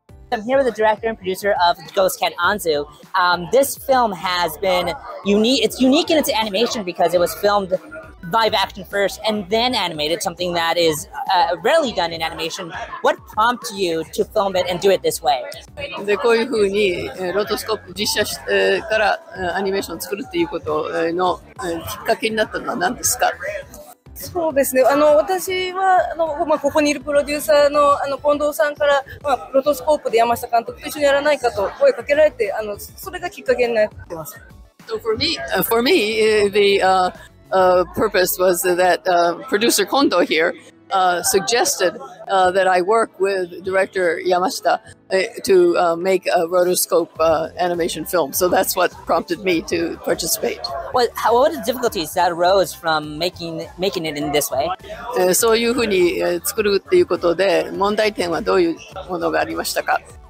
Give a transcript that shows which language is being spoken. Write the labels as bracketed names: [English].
[English] I'm here with the director and producer of Ghost Cat Anzu. This film has been unique. It's unique in its animation because it was filmed live action first and then animated, something that is rarely done in animation. What prompted you to film it and do it this way? [Japanese] で、こういうふうにロトスコープ実写からアニメーションを作るっていうことのきっかけになったのは何ですか？そうですね。私はまあ、ここにいるプロデューサーの近藤さんから、まあ、ロトスコープで山下監督と一緒にやらないかと声かけられて、それがきっかけになってます。 [English] So for me, the purpose was that producer Kondo here suggested that I work with director Yamashita to make a rotoscope animation film. So that's what prompted me to participate. What were the difficulties that arose from making it in this way? [Japanese] そういうふうに作るっていうことで問題点はどういうものがありましたか？